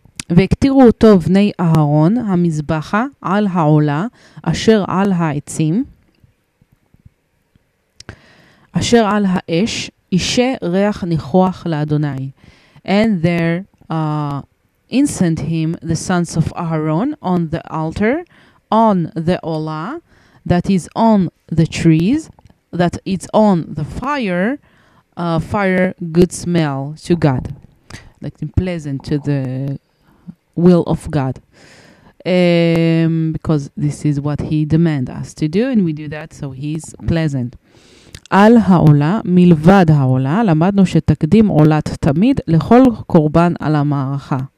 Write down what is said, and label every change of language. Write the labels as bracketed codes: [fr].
[he] והקטירו אותו בני אהרון, המזבחה, על העולה, אשר על העצים, אשר על האש, אישה ריח ניחוח לאדוני. [en] And there incensed him the sons of Aaron on the altar, on the olah, that is on the trees, that it's on the fire, fire good smell to God, like pleasant to the will of God, because this is what he demand us to do, and we do that, so he's pleasant. [he] Al ha'ola, milvad ha'ola, למדנו שתקדים עולת תמיד לכל קורבן על המערכה.